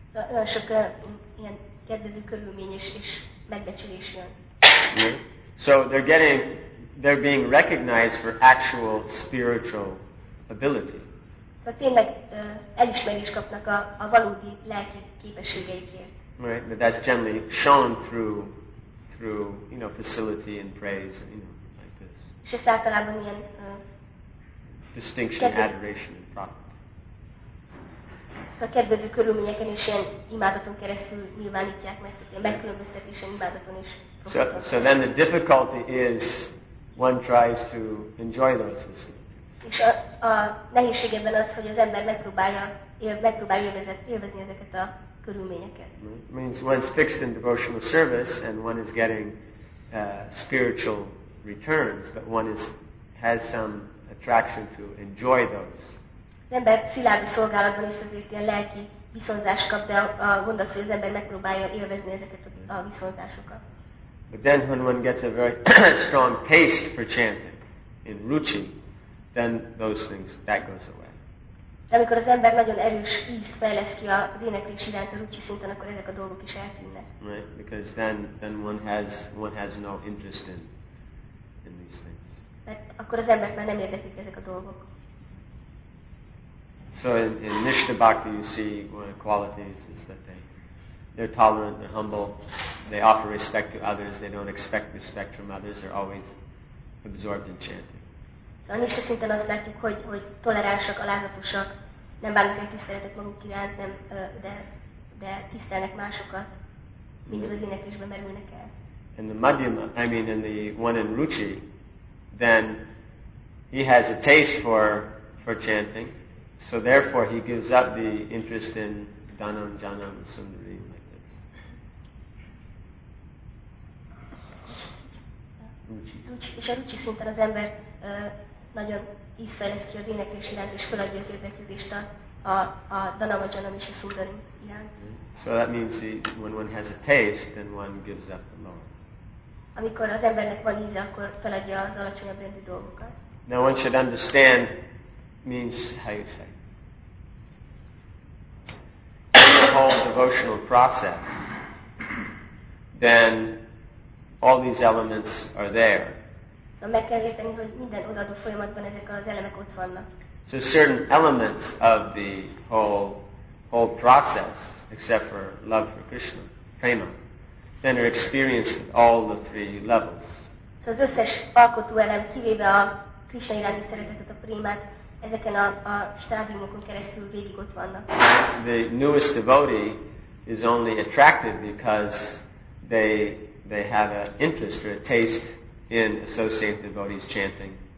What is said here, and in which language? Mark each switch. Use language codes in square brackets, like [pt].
[hu] Olyan sok ilyen kedvező körülmény és megbecsülés jön. [en] So they're being recognized for actual spiritual ability. [hu] Tehát tényleg elismerést kapnak a valódi lelki képességeikért. [en] Right, but that's generally shown through you know, facility and praise, you know, like this. [hu] És ez általában ilyen [en] distinction, adoration and prophet. [hu] A kedvező körülményeken és ilyen imádaton keresztül nyilvánítják meg, hogy ilyen megkülönböztetésen imádaton is. [en] So then the difficulty is one tries to enjoy those facilities. [hu] És a nehézség ebben az, hogy az ember megpróbálja élvezni ezeket a körülményeket. [en] It means one's fixed in devotional service and one is getting spiritual returns, but one has some attraction to enjoy those. [hu] Az ember szilárd szolgálatban is azért ilyen lelki viszonzást kap, de a gond az, hogy az ember megpróbálja élvezni ezeket a viszonzásokat. [en] But then when one gets a very strong taste for chanting in ruchi, then those things, that goes away. [hu] De amikor az ember nagyon erős ízt fejleszt ki az éneklés iránt a ruchi szinten, akkor ezek a dolgok is eltűnnek. [en] Right, because then one has no interest in these things. [hu] Mert akkor az embert már nem érdeklik ezek a dolgok. [en] So in Nishtha Bhakti, you see one of the qualities is that they're tolerant, they're humble, they offer respect to others, they don't expect respect from others, they're always absorbed in chanting. [hu] So a Nishtha szinten azt látjuk, hogy toleránsak, alázatosak, nem bánnak egy tiszteletet maguk iránt, nem, de tisztelnek másokat, mindig az éneklésbe merülnek el. [en] In the Madhyama, in the one in Ruchi, then he has a taste for chanting. So therefore, he gives up the interest in danam, janam, sundari, like this. Ruchi. [hu] És a ruchi szinten az ember nagyon ízfejlesz ki az éneklés iránt, és feladja az érdeklődést a danam, a janam és a sundari iránt. [en] So that means when one has a taste, then one gives up the lower. [hu] Amikor az embernek van íze, akkor feladja az alacsonyabb rendű dolgokat. [en] Now one should understand means how you say. Whole devotional process, then all these elements are there. So certain elements of the whole process, except for love for Krishna, prema, then are experienced at all the three levels. [hu] So az összes alkotó elem, kivéve a Krishna iránti szeretetet, a prémát, ezeken a stádiumokon keresztül végig ott vannak. [en] The newest devotee is only attracted because they have an interest or a taste in associated devotees chanting.